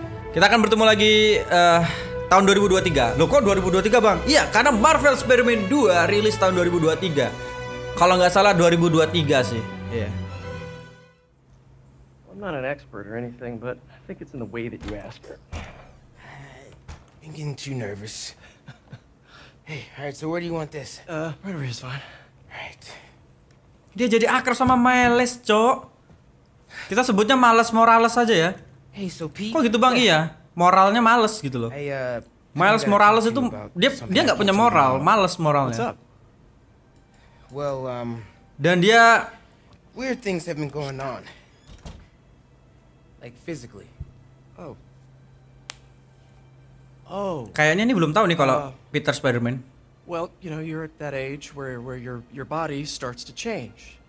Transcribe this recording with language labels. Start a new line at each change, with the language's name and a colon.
Indonesian: Kita akan bertemu lagi tahun 2023. Loh kok 2023, Bang? Iya, karena Marvel Spider-Man 2 rilis tahun 2023. Kalau enggak salah 2023 sih. Iya.
English: Yeah. I'm not an expert or anything, but I think it's in the way that you ask her. I'm getting too nervous. Hey, all right, so where do you want this? Wherever is fine. Right.
Indonesian: Dia jadi akrab sama Miles, Cok. Kita sebutnya Miles Morales aja ya.
English: Hey, so Pete.
Indonesian: Kok gitu, Bang? Iya. Moralnya Miles gitu loh. Miles Morales itu dia enggak punya moral, Miles moralnya.
English: What's up? Well,
Indonesian: dan dia
English: weird things have been going on. Like physically. Oh.
Indonesian: Kayaknya ini belum tahu nih kalau Peter Spider-Man.
English: Well, you know, you're at that age where your body starts to change.